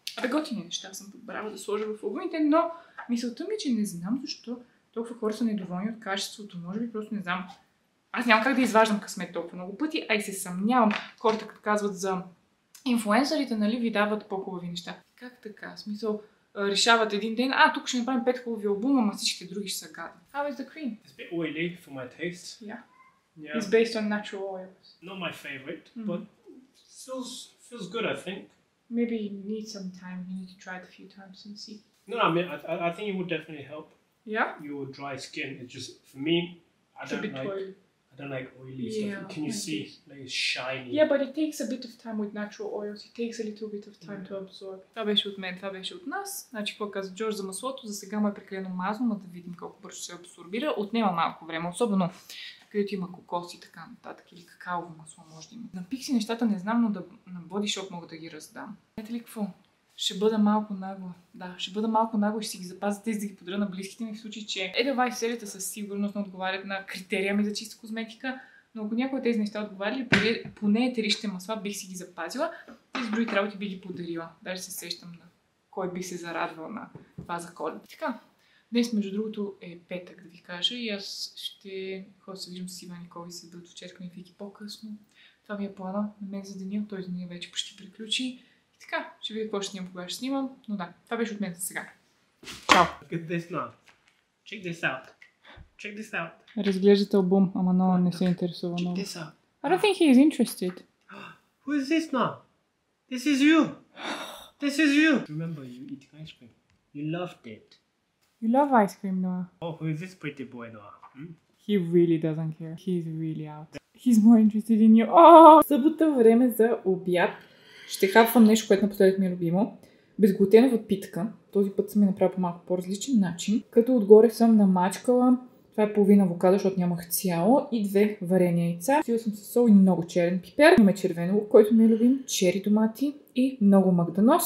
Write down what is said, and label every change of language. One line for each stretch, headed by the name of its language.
Bulgarian: Абе, готини неща съм подбрала да сложа в албумите, но мисълта ми е, че не знам защо толкова хора са недоволни от качеството. Може би просто не знам. Аз нямам как да изваждам късмет толкова много пъти, а и се съмнявам. Хората като казват за инфлуенсърите, нали, ви дават по-хубави неща. Как така? Смисъл, решават един ден, а тук ще направим 5 хубави албума, а всичките други ще са гадни.
English: How is the cream? It's a bit oily for my taste. Yeah. It's based on natural oils. Not my favorite, but feels good, I think. Maybe you need some time, you need to try it a few times and see. No, I mean, I think it would definitely help. Yeah? Your dry skin, it's just, for me, I don't like oily stuff. Yeah, can you see? Like it's shiny. Yeah, but it takes a bit of time with natural oils. It takes a little bit of time to absorb.
Bulgarian: Това беше от мен, това беше от нас. Значи, какво каза Джордж за маслото? За сега му е прекалено мазно, но да видим колко бързо се абсорбира. Отнема малко време, особено където има кокос и така нататък. Или какаово масло може да има. На пикси нещата не знам, но да, на Body Shop мога да ги раздам. Знаете ли какво? Ще бъда малко нагла. Да, ще бъда малко нагла и ще си ги запазя тези да ги подаря на близките ми в случай, че Edelweiss серията със сигурност не отговарят на критерия ми за чиста козметика, но ако някои от тези неща отговаряли, поне етеричните масла бих си ги запазила и с други работи би ги подарила. Даже се сещам на кой би се зарадвал на това за Коледа. Така, днес между другото е петък, да ви кажа, и аз ще ходя се виждам с Иван Никол и се да дочеркам и Вики по-късно. Това ми е плана на мен за деня, този ден вече почти приключи. Така, ще видя какво ще снимам, кога ще снимам, но да, това беше от мен за сега. Чао!
English: Look at this now. Check this out. Check this out.
Bulgarian: Разглеждате албум, ама Нолан не се интересува много.
English: Check this out. I don't think he is interested. Who is this now? This is you! This is you! Remember, you eat ice cream. You loved it. You love ice cream, Noah. Oh, who is this pretty boy, Noah? He really doesn't care. He's really out. He's more interested in you. Oh!
Bulgarian: Събота, време за обяд. Ще хапвам нещо, което напоследък ми е любимо. Безглутенова питка. Този път съм я направила по малко по-различен начин. Като отгоре съм намачкала, това е половина авокадо, защото нямах цяло, и две варения яйца. Сила съм със сол и много черен пипер. Имаме червено, който ми е любим, чери домати и много магданоз.